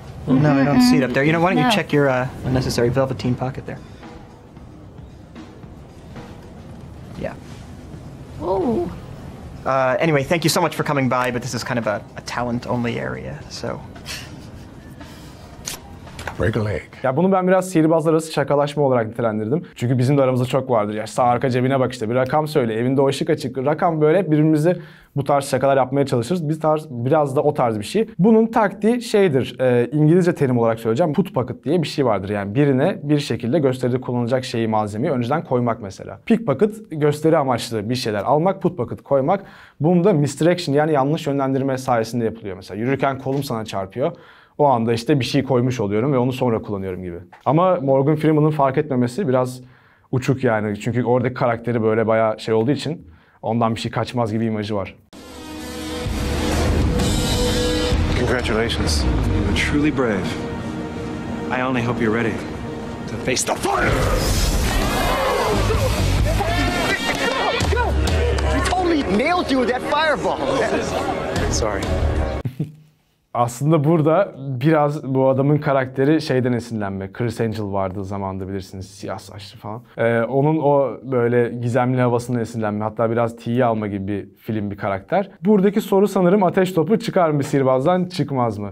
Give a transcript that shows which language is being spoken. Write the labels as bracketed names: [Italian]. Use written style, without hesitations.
[English] No, I don't see it up there. You know, why don't you check your unnecessary velveteen pocket there? Yeah. Oh. Anyway, thank you so much for coming by, but this is kind of a talent-only area, so... [Turkish] Ya bunu ben biraz sihirbazlar arası şakalaşma olarak nitelendirdim. Çünkü bizim de aramızda çok vardır. Ya sağ arka cebine bak işte bir rakam söyle. Evinde o ışık açık. Rakam böyle birbirimizi bu tarz şakalar yapmaya çalışırız. Biraz da o tarz bir şey. Bunun taktiği şeydir. İngilizce terim olarak söyleyeceğim. Put pocket diye bir şey vardır. Yani birine bir şekilde gösteride kullanılacak şeyi, malzemeyi önceden koymak mesela. Pick pocket gösteri amaçlı bir şeyler almak. Put pocket koymak. Bunu da misdirection yani yanlış yönlendirme sayesinde yapılıyor. Mesela yürürken kolum sana çarpıyor. O anda işte bir şey koymuş oluyorum ve onu sonra kullanıyorum gibi. Ama Morgan Freeman'ın fark etmemesi biraz uçuk yani. Çünkü oradaki karakteri böyle bayağı şey olduğu için ondan bir şey kaçmaz gibi imajı var. [English] Congratulations. You're truly brave. I only hope you're ready to face the fire. I totally nailed you with that fireball. Sorry. [Turkish] Aslında burada biraz bu adamın karakteri şeyden esinlenme. Chris Angel vardı zamanında bilirsiniz, siyah saçlı falan. Onun o böyle gizemli havasından esinlenme, hatta biraz tiye alma gibi bir film, bir karakter. Buradaki soru sanırım ateş topu çıkar mı sihirbazdan, çıkmaz mı?